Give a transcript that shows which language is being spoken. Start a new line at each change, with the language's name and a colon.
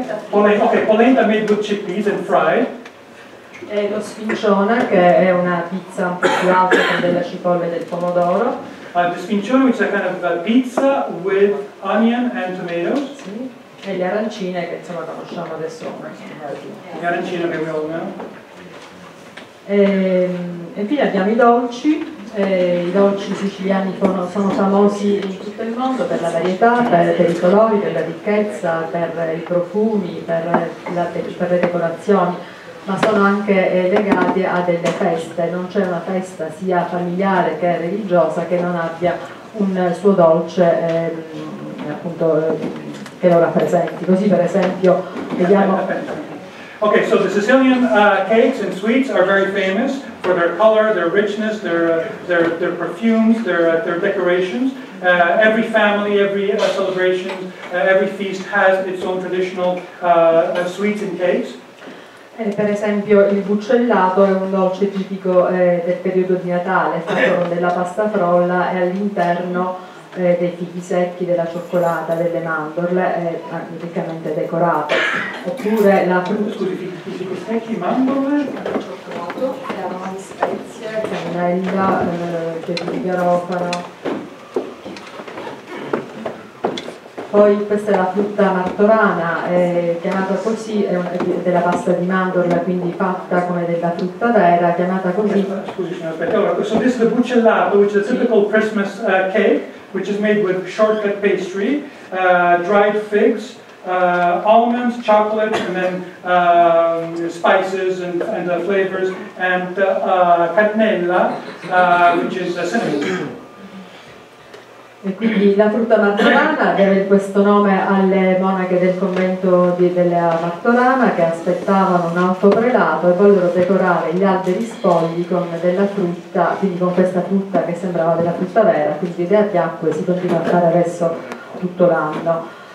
English: Polenta. Ok, polenta made with chickpeas and fried.
Italian: E lo sfincione, che è una pizza un po' più alta con della cipolla e del pomodoro.
English: The sfincione, which is a kind of a pizza with onion and tomatoes.
Italian: Sì. E le arancine, che insomma conosciamo adesso.
English: Le arancine che we all know.
Italian: E infine abbiamo i dolci siciliani sono famosi in tutto il mondo per la varietà, per i colori, per la ricchezza, per i profumi, per le decorazioni. ma sono anche legati a delle feste. Non c'è una festa sia familiare che religiosa che non abbia un suo dolce appunto che lo rappresenti. Così per esempio vediamo.
English: Okay, so the Sicilian cakes and sweets are very famous for their color, their richness, their perfumes, their decorations. Every family, every celebration, every feast has its own traditional sweets and cakes.
Italian: E per esempio il buccellato è un dolce tipico del periodo di Natale, fatto con della pasta frolla e all'interno dei fichi secchi, della cioccolata, delle mandorle, riccamente decorato. Oppure la frutta. Scusi, fichi secchi, mandorle? Cioccolato, aroma di spezie, cannella, peli di garofano. Poi questa è la frutta martorana, chiamata così, è della pasta di mandorla, quindi fatta come della frutta vera, chiamata così.
English: Scusi, signora, perché allora, questo è il buccellato, which is a typical Christmas cake, which is made with shortcut pastry, dried figs, almonds, chocolate, and then spices and flavors, and cannella, which is cinnamon.
Italian: E quindi la frutta martorana deve questo nome alle monache del convento della Martorana che aspettavano un alto prelato e vollero decorare gli alberi spogli con della frutta, quindi con questa frutta che sembrava della frutta vera, quindi idea di acqua e si continua a fare adesso tutto l'anno.